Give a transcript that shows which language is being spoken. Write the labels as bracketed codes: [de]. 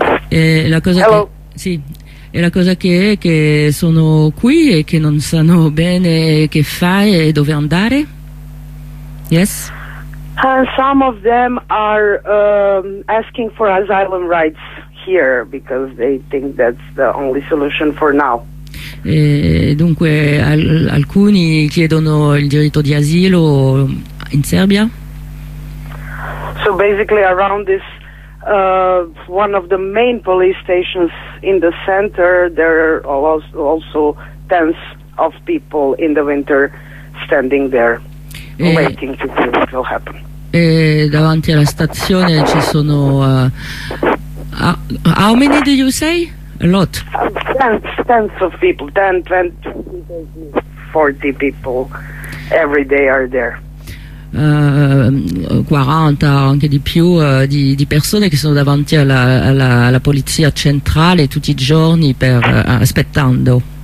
[it] E la cosa che è che sono qui e che non sanno bene che fare e dove andare. [en] Yes. And some of them are asking for asylum rights here because they think that's the only solution for now. [it] Dunque alcuni chiedono il diritto di asilo in Serbia. [en] So basically around this one of the main police stations in the center, there are also tens of people in the winter standing there waiting to see what will happen. [it] E davanti alla stazione ci sono [en] how many did you say? A lot. Tens of people, 10, 20, 40 people every day are there. [it] 40, anche di più, di persone che sono davanti alla polizia centrale tutti i giorni per aspettando.